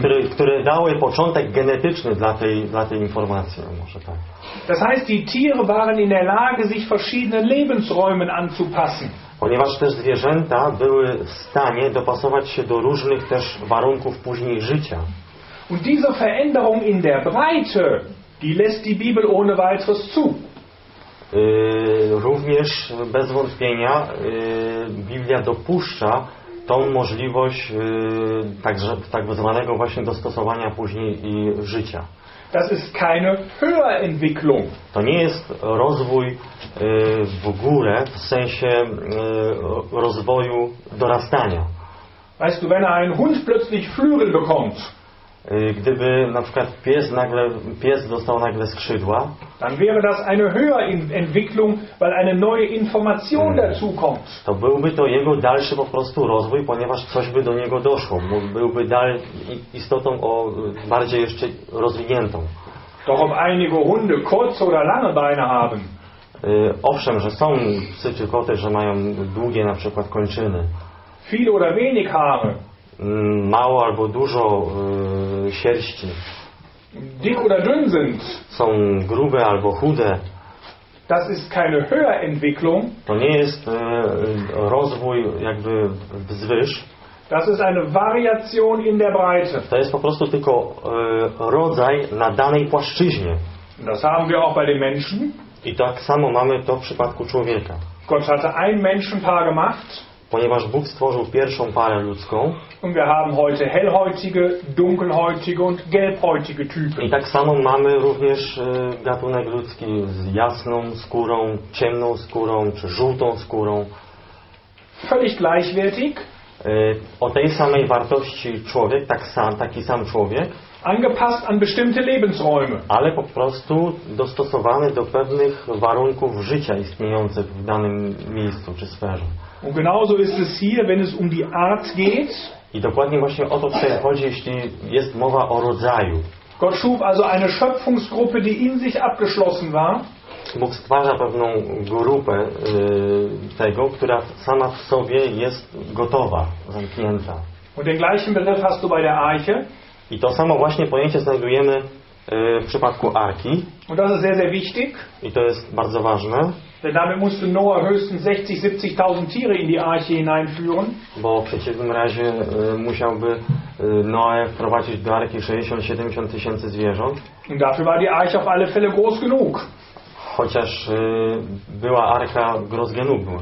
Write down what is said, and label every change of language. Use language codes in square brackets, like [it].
[pl] które dały początek genetyczny dla tej informacji, może tak. [de] Das heißt, die Tiere waren in der Lage, sich verschiedenen Lebensräumen anzupassen. [pl] Ponieważ też zwierzęta były w stanie dopasować się do różnych też warunków później życia. [de] Und diese Veränderung in der Breite, die lässt die Bibel ohne weiteres zu. [pl] Również bez wątpienia Biblia dopuszcza tą możliwość tak zwanego właśnie dostosowania później i życia. [de] Das ist keine Höherentwicklung. [pl] To nie jest rozwój w górę w sensie rozwoju dorastania. [de] Weißt du, wenn ein Hund plötzlich Flügel bekommt, [pl] gdyby na przykład pies dostał nagle skrzydła, [de] dann wäre das eine Höherentwicklung, weil eine neue Information dazu kommt. [pl] To byłby to jego dalszy po prostu rozwój, ponieważ coś by do niego doszło. Byłby dalej istotą o bardziej jeszcze rozwiniętą. [de] Doch ob einige Hunde kurze oder lange Beine haben. [pl] Owszem, że są psy czy koty, że mają długie na przykład kończyny. [de] Viele oder wenig Haare. [pl] Mało albo dużo sierści. [de] Dick oder dünn sind. [pl] Są grube albo chude. [de] Das ist keine Höherentwicklung. [pl] To nie jest rozwój jakby wzwyż. [de] Das ist eine Variation in der Breite. [pl] To jest po prostu tylko rodzaj na danej płaszczyźnie. [de] Das haben wir auch bei den Menschen. [pl] I tak samo mamy to w przypadku człowieka. [de] Gott hatte ein Menschenpaar gemacht. [pl] Ponieważ Bóg stworzył pierwszą parę ludzką. [de] Und wir haben heute hellhäutige, dunkelhäutige und gelbhäutige Typen. [pl] I tak samo mamy również gatunek ludzki z jasną skórą, ciemną skórą czy żółtą skórą. [de] Völlig gleichwertig. [pl] O tej samej wartości człowiek, taki sam człowiek. [de] Angepasst an bestimmte Lebensräume. [pl] Ale po prostu dostosowany do pewnych warunków życia istniejących w danym miejscu czy sferze. [de] Und genauso ist es hier, wenn es um die Art geht. [pl] I dokładnie właśnie o to tutaj chodzi, jeśli jest mowa o rodzaju. [de] Gott schuf also eine Schöpfungsgruppe, die in sich abgeschlossen war. [pl] Bóg stwarza pewną grupę tego, która sama w sobie jest gotowa, zamknięta. [de] Und den gleichen Begriff hast du bei der Arche. [pl] I to samo właśnie pojęcie znajdujemy w przypadku Arki. [de] Und das ist sehr, sehr wichtig. [pl] I to jest bardzo ważne. [de] Denn damit musste Noah höchstens 60-70.000 Tiere in die Arche hineinführen. [pl] Bo w przeciwnym razie musiałby Noe wprowadzić do Arki 60-70 tysięcy zwierząt. [de] Und dafür war die Arche auf alle Fälle groß genug. [pl] Chociaż była Arka [de] groß genug?